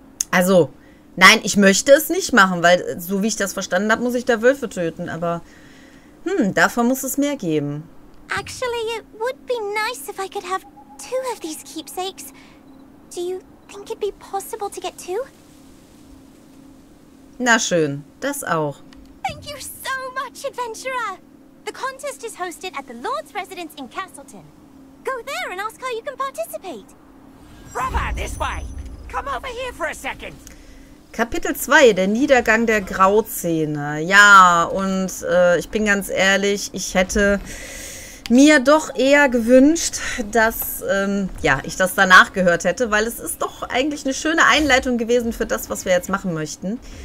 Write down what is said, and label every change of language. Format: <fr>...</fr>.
<de>Also, nein, ich möchte es nicht machen, weil so wie ich das verstanden habe, muss ich da Wölfe töten, aber... davon muss es mehr geben.</de> <en>Actually, it would be nice if I could have two of these keepsakes. Do you think it'd be possible to get two?</en> <de>Na schön, das auch.</de> <en>Thank you so much, Adventurer. The contest is hosted at the Lord's residence in Castleton. Go there and ask how you can participate. Brava, this way. Come over here for a second.</en> <de>Kapitel 2, der Niedergang der Grauzähne. Ja, und ich bin ganz ehrlich, ich hätte mir doch eher gewünscht, dass ich das danach gehört hätte, weil es ist doch eigentlich eine schöne Einleitung gewesen für das, was wir jetzt machen möchten.</de>